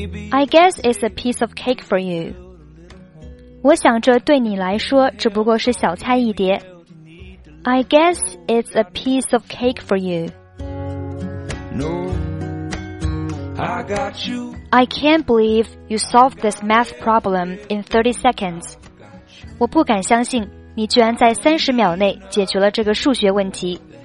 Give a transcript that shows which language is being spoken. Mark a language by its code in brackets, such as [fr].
[en] I guess it's a piece of cake for you. [zh] 我想这对你来说只不过是小菜一碟。 [en] I guess it's a piece of cake for you. No. I can't believe you solved this math problem in 30 seconds. [zh] 我不敢相信你居然在30秒内解决了这个数学问题。